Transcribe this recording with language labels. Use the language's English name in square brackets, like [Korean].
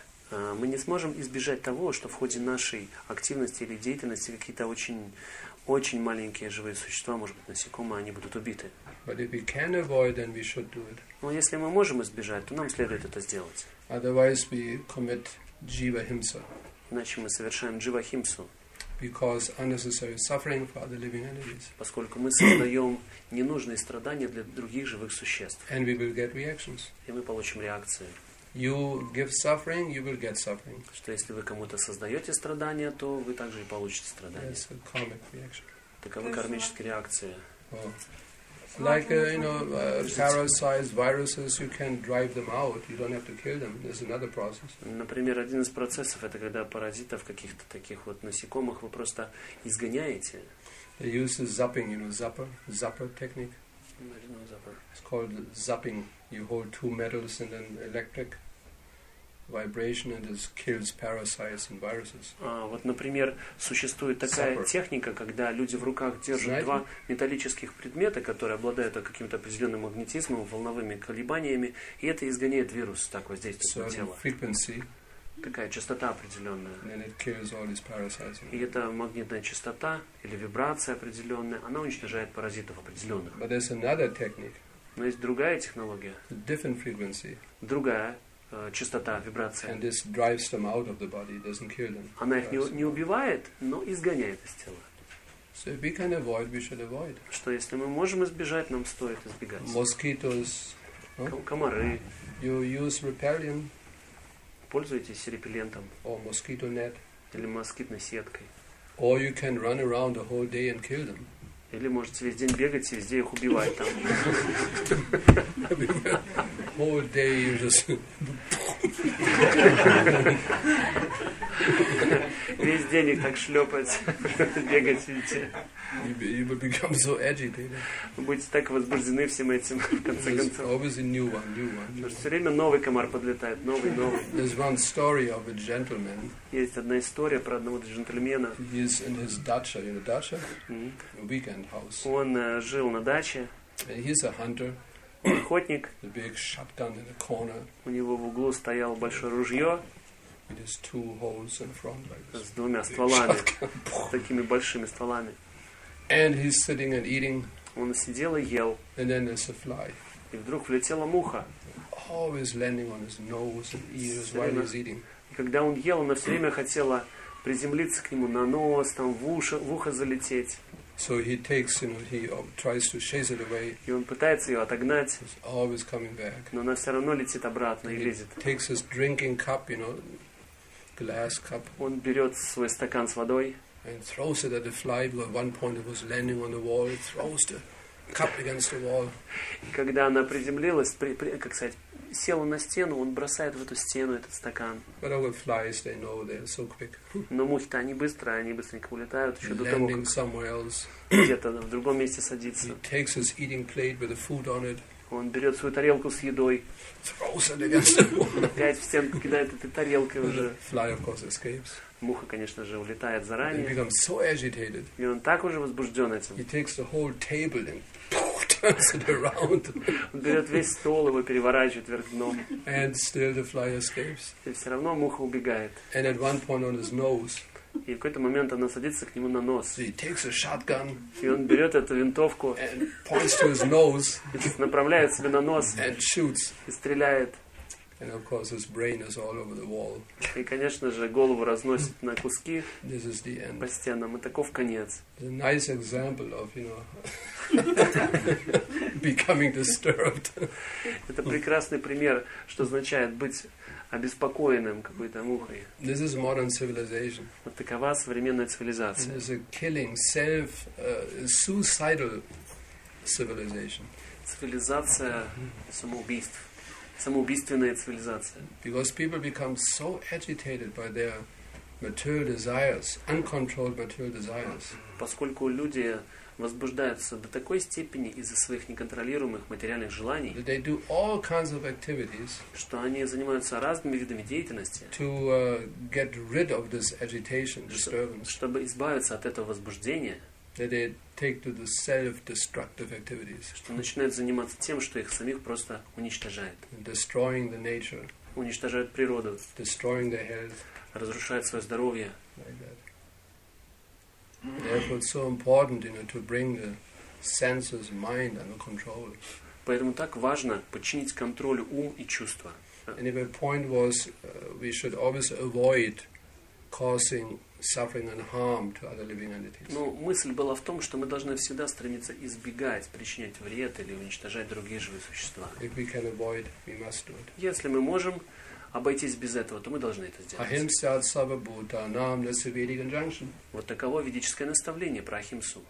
[Russian] Мы не сможем избежать того, что в ходе нашей активности или деятельности какие-то очень маленькие живые существа, может быть, насекомые, они будут убиты. [English] But if we can avoid, then we should do it. [Russian] Но если мы можем избежать, то нам следует это сделать. [English] Otherwise we commit jiva himsa. [Russian] Иначе мы совершаем джива химсу. [English] Because unnecessary suffering for other living entities. [Russian] Поскольку мы создаем ненужные страдания для других живых существ. [English] And we will get reactions. [Russian] И мы получим реакции. [English] You give suffering, you will get suffering. [Russian] Что если вы кому-то создаете страдания, то вы также и получите страдания. [English] It's a karmic reaction. [Russian] Такова кармическая реакция. [English] Like you know, parasites, viruses, you can drive them out. You don't have to kill them. There's another process. [Russian] Например, один из процессов это когда паразитов каких-то таких вот насекомых вы просто изгоняете. [English] They use the zapping, you know, zapper technique. It's called zapping. You hold two metals and an electric vibration and it kills parasites and viruses. [Russian] Вот, например, существует такая техника, когда люди в руках держат два металлических предмета, которые обладают каким-то определенным магнетизмом, волновыми колебаниями, и это изгоняет вирус, так воздействует на тело. [English] Frequency. [Russian] Такая частота определенная. [English] And then it kills all these parasites. [Russian] И эта магнитная частота или вибрация определенная, она уничтожает паразитов определенных. [English] But there's another technique. [Russian] Но есть другая технология. [English] Different frequency. [Russian] Другая частота, вибрация. [English] And this drives them out of the body, doesn't kill them. [Russian] Она их не убивает, но изгоняет из тела. [English] So if we can avoid, we should avoid. [Russian] Что если мы можем избежать, нам стоит избегать. [English] Mosquitoes. [Russian] Комары. [English] You use repellent. [Russian] Пользуйтесь репеллентом. [English] Or mosquito net. [Russian] Или москитной сеткой. [English] Or you can run around the whole day and kill them. [Russian] Или можете весь день бегать и везде их убивать там. [English] Whole day you just... [Russian] Весь день их так шлепать, бегать, видите. [English] You will become so agitated. [Russian] Вы будете так возбуждены всем этим, в конце концов. [English] There's always a new one, new one. [Russian] Потому что все время новый комар подлетает, новый. [English] There's one story of a gentleman. [Russian] Есть одна история про одного джентльмена. [English] He's in his dacha, in a dacha, a weekend house. [Russian] Он жил на даче. [English] He's a hunter. [Russian] Охотник. [English] A big shotgun in the corner. [Russian] У него в углу стояло большое ружье. [English] It has two holes in front, like this. [Russian] С двумя стволами, с такими большими стволами. [English] And he's sitting and eating. [Russian] Он сидел и ел. [English] And then there's a fly. [Russian] И вдруг влетела муха. [English] Always landing on his nose and ears while he's eating. [Russian] И когда он ел, она все время хотела приземлиться к нему на нос, там в ухо залететь. [English] So he takes, you know, he tries to chase it away. [Russian] И он пытается ее отогнать. [English] He's always coming back. [Russian] Но она все равно летит обратно и лезет. [English] He takes his drinking cup, you know, glass cup. [Russian] Он берет свой стакан с водой. [English] And throws it at the fly, but at one point it was landing on the wall, it throws the cup against the wall. [Russian] Когда она приземлилась, как сказать, села на стену, он бросает в эту стену этот стакан. [English] But all the flies, they know they're so quick. [Russian] Но мухи-то, они быстренько улетают еще до того, [English] landing somewhere else. [Russian] Где-то в другом месте садится. [English] He takes his eating plate with the food on it. [Russian] Он берет свою тарелку с едой. [English] Throws it against the wall. [Russian] Опять в стенку кидает этой тарелкой уже. [English] Fly, of course, escapes. [Russian] Муха, конечно же, улетает заранее. [English] He becomes so agitated. [Russian] И он так уже возбужден этим. [English] He takes the whole table and turns it around. [Russian] Он берет весь стол, его переворачивает вверх дном. [English] And still the fly escapes. [Russian] И все равно муха убегает. [English] And at one point on his nose. [Russian] И в какой-то момент она садится к нему на нос. [English] So he takes a shotgun, [Russian] и он берет эту винтовку [English] and points to his nose, [Russian] и направляет себе на нос [English] and shoots. [Russian] И стреляет. [English] And of course his brain is all over the wall. [Russian] И, конечно же, голову разносит на куски. [English] This is the end. [Russian] По стенам. И таков конец. [English] It's a nice example of, you know, becoming disturbed. [Russian] Это прекрасный пример, что означает быть обеспокоенным какой-то мухой. [English] This is modern civilization. [Russian] Вот такова современная цивилизация. [English] It's a killing self, suicidal civilization. [Russian] Цивилизация самоубийств. Самоубийственная цивилизация. [English] Because people become so agitated by their material desires, uncontrolled material desires. [Russian] Поскольку люди возбуждаются до такой степени из-за своих неконтролируемых материальных желаний, [English] that they do all kinds of activities, [Russian] что они занимаются разными видами деятельности, [English] to get rid of this agitation, disturbance, [Russian] чтобы избавиться от этого возбуждения. [English] That they take to the self-destructive activities. [Russian] Что начинают заниматься тем, что их самих просто уничтожает. [English] Destroying the nature. [Russian] Уничтожают природу. [English] Destroying their health. [Russian] Разрушают свое здоровье. [English] Like that. Therefore, it's so important, you know, to bring the senses, mind under control. [Russian] Поэтому так важно подчинить контролю ум и чувства. [English] And if a point was, we should always avoid causing suffering and harm to other living entities. [Russian] Ну, мысль была в том, что мы должны всегда стремиться избегать причинять вред или уничтожать другие живые существа. [English] If we can avoid, we must do it. [Russian] Если мы можем обойтись без этого, то мы должны это сделать. [Sanskrit] Ахимса сава бута нам [English] на севедик инжанкшн. [Russian] Вот таково ведическое наставление про ахимсу.